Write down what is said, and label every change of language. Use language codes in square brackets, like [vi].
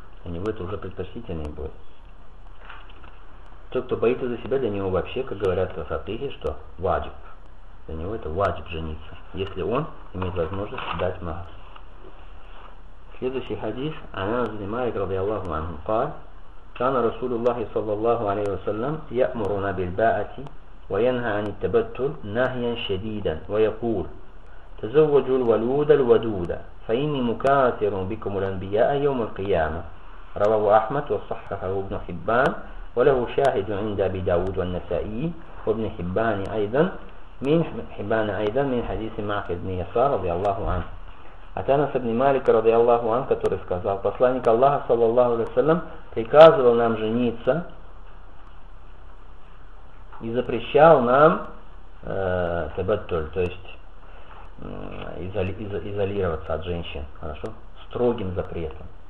[ru] Для него это уже предпочтительнее будет. Тот, кто боится за себя, для него вообще, как говорят в Сатыхе, что ваджиб. Для него это ваджиб жениться, если он имеет возможность дать махр. Следующий хадис. [ar] Анас ибн Малик радиаллаху анху قال: كان رسول الله صلى الله عليه وسلم يأمرنا بالباعة وينهى عن التبتل نهيا شديدا ويقول: تزوجوا الولود الودودة فإني مكاثر بكم الأنبياء يوم القيامة. رواه أحمد وصححه ابن حبان وله شاهد عند أبي داود والنسائي وابن حبان أيضا من حبان أيضا من حديث معقد بن يسار رضي الله عنه. أتى أنس بن مالك رضي الله عنه [ru] который сказал: посланник Аллаха саллаллаху алейхи ва саллям приказывал нам жениться и запрещал нам табаттуль, то есть изолироваться от женщин, хорошо, строгим запретом.